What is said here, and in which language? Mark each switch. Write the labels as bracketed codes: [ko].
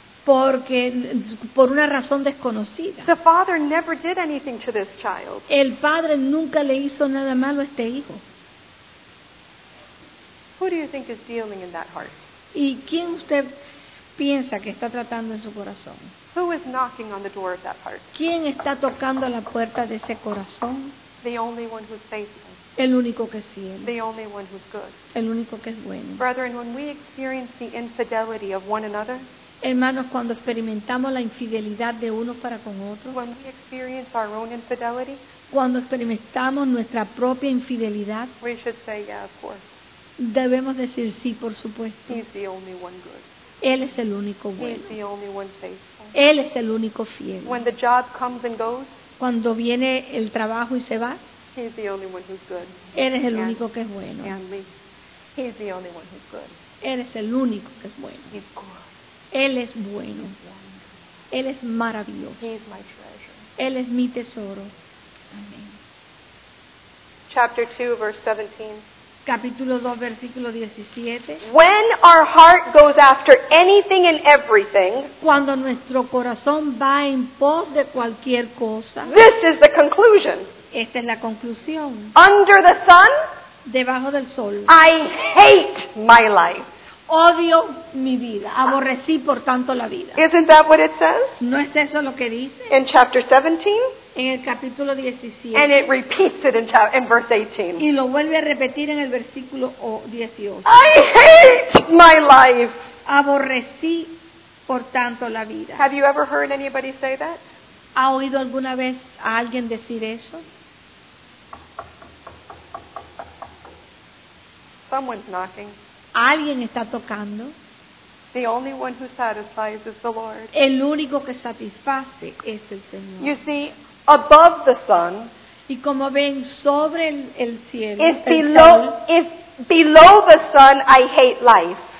[es] Porque por una razón desconocida. [en] The father never did anything to this child. [es] El padre nunca le hizo nada malo a este hijo. [en] Who do you think is dealing in that heart? [es] ¿Y quién usted piensa que está tratando en su corazón? [en] Who is knocking on the door of that heart? [es] ¿Quién está tocando la puerta de ese corazón? [en] The only one who's faithful. [es] El único que es fiel. [en] The only one who's good. [es] El único que es bueno. [en] Brethren, when we experience the infidelity of one another. [es] Hermanos, cuando experimentamos la infidelidad de uno para con otro, [en] when we experience our own infidelity, [es] cuando experimentamos nuestra propia infidelidad, [en] we should say, yeah, of course. [es] Debemos decir sí, por supuesto. [en] He's the only one good. [es] Él es el único bueno. [en] He's the only one faithful. [es] Él es el único fiel. [en] When the job comes and goes, [es] cuando viene el trabajo y se va, [en] he's the only one who's good. [es] Él es el único que es bueno. [en] And me. He's the only one who's good. [es] Él es el único que es bueno. [en] He's good. [es] Él es bueno. Él es maravilloso. [en] He is my treasure. [es] Él es mi tesoro. Amén. [en] Chapter 2, verse 17. [es] Capítulo 2, versículo 17. [en] When our heart goes after anything and everything, [es] cuando nuestro corazón va en pos de cualquier cosa, [en] this is the conclusion. [es] Esta es la conclusión. [en] Under the sun, [es] debajo del sol, [en] I hate my life. [es] Odio mi vida. Aborrecí, por tanto, la vida. [en] Isn't that what it says? [es] ¿No es eso lo que dice? [en] In chapter 17. [es] En el capítulo 17. [en] And it repeats it in verse 18. [es] Y lo vuelve a repetir en el versículo 18. [en] I hate my life. [es] Aborrecí, por tanto, la vida. [en] Have you ever heard anybody say that? [es] ¿Ha oído alguna vez a alguien decir eso? [en] Someone's knocking. [es] Alguien está tocando. [en] The only one who satisfies is the Lord. [es] El único que satisface es el Señor. [en] You see, above the sun. [es] Y como ven, sobre el cielo. [en] If below the sun, I hate life.